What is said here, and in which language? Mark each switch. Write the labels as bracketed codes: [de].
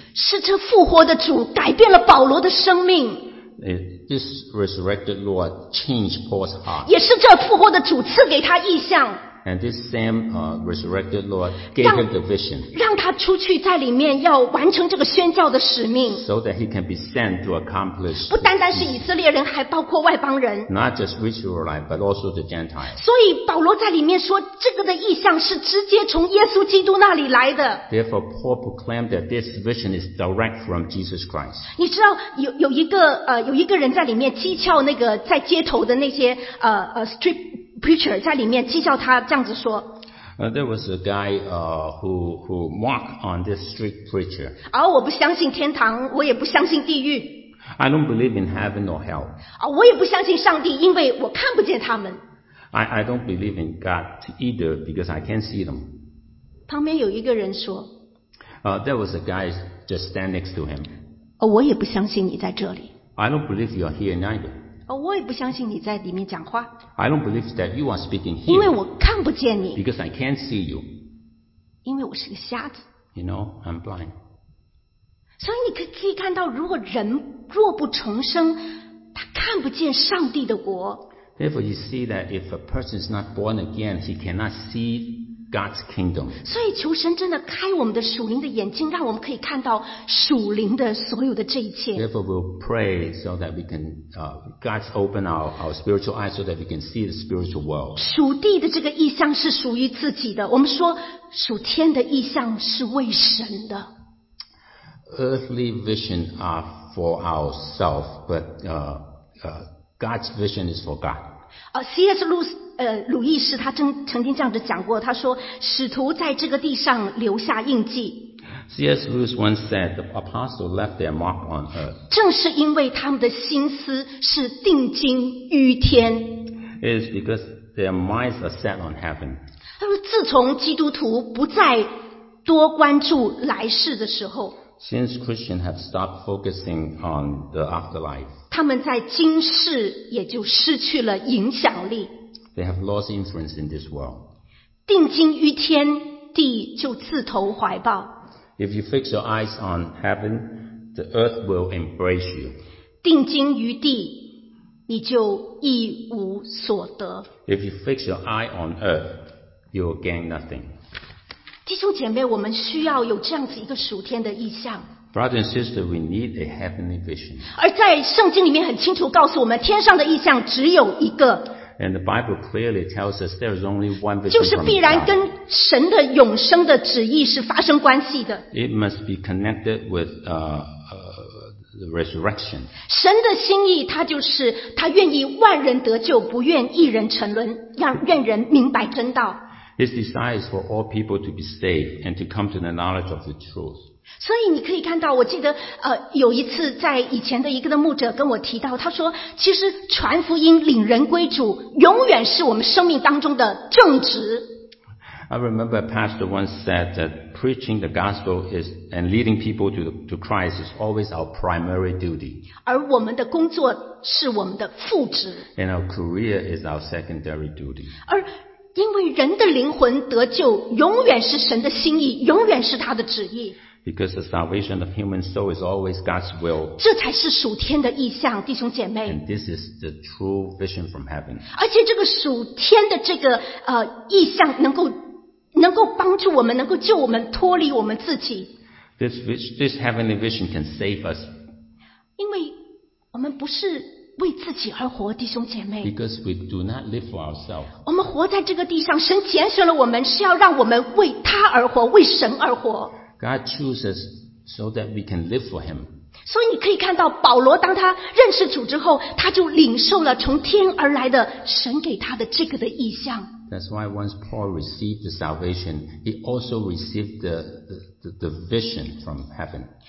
[zh] 是这复活的主改变了保罗的生命 [en] this resurrected Lord changed Paul's heart [zh] 也是这复活的主赐给他异象 [en] And this same resurrected Lord gave him the vision. [zh] 让他出去在里面要完成这个宣教的使命。 [en] So that he can be sent to accomplish. [zh] 不单单是以色列人，还包括外邦人。 [en] Not just Israelite, but also the Gentiles. [zh] 所以保罗在里面说，这个的意象是直接从耶稣基督那里来的。 [en] Therefore, Paul proclaimed that this vision is direct from Jesus Christ. [zh] 你知道有一个人在里面讥诮那个在街头的那些strip. Preacher 在里面讥笑他这样子说。 [en] There was a guy who mocked on this street preacher. [zh] 而我不相信天堂，我也不相信地狱。 [en] I don't believe in heaven or hell. [zh] 我也不相信上帝，因为我看不见他们。 [en] I don't believe in God either because I can't see them. [zh] 旁边有一个人说。 [en] There was a guy just stand next to him. [zh] 我也不相信你在这里。 [en] I don't believe you are here neither. [zh] 我也不相信你在里面讲话。 [en] I don't believe that you are speaking here. [zh] 因为我看不见你。 [en] Because I can't see you. [zh] 因为我是个瞎子。 [en] You know, I'm blind. [zh] 所以你可以看到，如果人若不重生，他看不见上帝的国。 [en] Therefore, you see that if a person is not born again, he cannot see God's kingdom. [zh] 所以求神真的开我们的属灵的眼睛，让我们可以看到属灵的所有的这一切。 [en] Therefore, we'll pray so that we can, God's open our spiritual eyes so that we can see the spiritual world. [zh] 属地的这个意象是属于自己的。我们说属天的意象是为神的。 [en] Earthly vision are for ourselves, but God's vision is for God. C.S. Lewis. [zh] 鲁易斯他曾经这样子讲过他说使徒在这个地上留下印记 [en] C.S. Lewis once said the apostles left their mark on earth [zh] 正是因为他们的心思是定睛于天 [en] It is because their minds are set on heaven [zh] 他说自从基督徒不再多关注来世的时候 [en] Since Christians have stopped focusing on the afterlife [zh] 他们在今世也就失去了影响力 [en] They have lost influence in this world. [zh] 定睛于天，地就自投怀抱。 [en] If you fix your eyes on heaven, the earth will embrace you. [zh] 定睛于地，你就一无所得。 [en] If you fix your eye on earth, you will gain nothing. [zh] 弟兄姐妹，我们需要有这样子一个属天的意象。 [en] Brother and sister, we need a heavenly vision. [zh] 而在圣经里面很清楚告诉我们，天上的意象只有一个。 [en] And the Bible clearly tells us there is only one vision from God. [zh] 就是必然跟神的永生的旨意是发生关系的。 [en] It must be connected with the resurrection. [zh] 神的心意，他就是他愿意万人得救，不愿一人沉沦，让愿人明白真道。 [en] His desire is for all people to be saved and to come to the knowledge of the truth. [zh] 所以你可以看到，我记得有一次在以前的一个的牧者跟我提到，他说，其实传福音、领人归主，永远是我们生命当中的正直。 [en] I remember a pastor once said that preaching the gospel is and leading people to Christ is always our primary duty. [zh] 而我们的工作是我们的副职。 [en] And our career is our secondary duty. [zh] 而因为人的灵魂得救，永远是神的心意，永远是他的旨意。 [en] Because the salvation of human soul is always God's will. [zh] 这才是属天的意象，弟兄姐妹。 [en] And this is the true vision from heaven. [zh] 而且这个属天的这个意象能够帮助我们，能够救我们，脱离我们自己。 [en] This heavenly vision can save us. [zh] 因为我们不是为自己而活，弟兄姐妹。 [en] Because we do not live for ourselves. [zh] 我们活在这个地上，神拣选了我们，是要让我们为他而活，为神而活。 [en] God chooses so that we can live for Him. [zh] 所以你可以看到，保罗当他认识主之后，他就领受了从天而来的神给他的这个的意象。 [en] That's why once Paul received the salvation, he also received the vision from heaven.